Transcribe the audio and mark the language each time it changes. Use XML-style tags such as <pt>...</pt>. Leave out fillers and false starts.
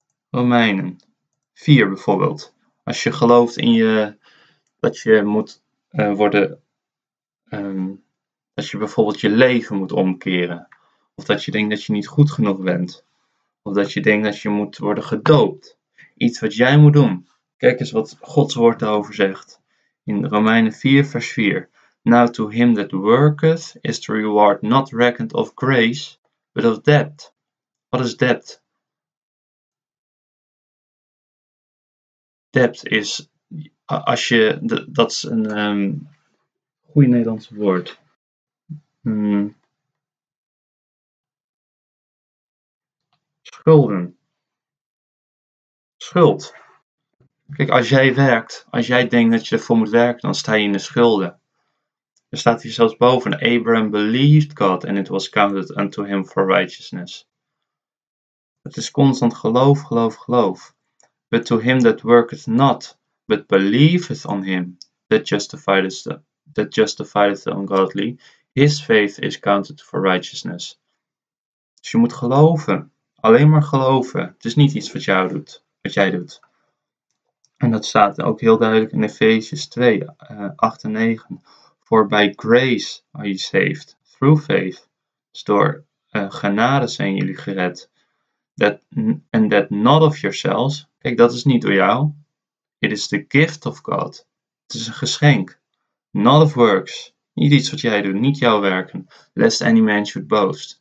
<nl>Romeinen 4 bijvoorbeeld. Als je gelooft in je dat je moet worden, dat je bijvoorbeeld je leven moet omkeren, of dat je denkt dat je niet goed genoeg bent, of dat je denkt dat je moet worden gedoopt, iets wat jij moet doen. Kijk eens wat Gods woord daarover zegt in Romeinen 4, vers 4.</nl> <en>Now to him that worketh is the reward not reckoned of grace, but of debt. What is debt? Debt is,</en> <nl>als je, dat is een goede Nederlandse woord. Schulden. Schuld. Kijk, als jij werkt, als jij denkt dat je ervoor moet werken, dan sta je in de schulden. Er staat hier zelfs boven:</nl> <en>Abraham believed God and it was counted unto him for righteousness.</en> <nl>Het is constant geloof, geloof, geloof.</nl> <en>But to him that worketh not, but believeth on him that justifieth the ungodly, his faith is counted for righteousness.</en> <nl>Dus je moet geloven. Alleen maar geloven. Het is niet iets wat jou doet, wat jij doet. En dat staat ook heel duidelijk in Efeziërs 2, 8 en 9.</nl> <en>For by grace are you saved, through faith.</en> <nl>Dus door genade zijn jullie gered.</nl> <en>And that not of yourselves.</en> <nl>Kijk, dat is niet door jou.</nl> <en>It is the gift of God.</en> <nl>Het is een geschenk.</nl> <en>Not of works.</en> <nl>Niet iets wat jij doet, niet jouw werken.</nl> <en>Lest any man should boast.</en>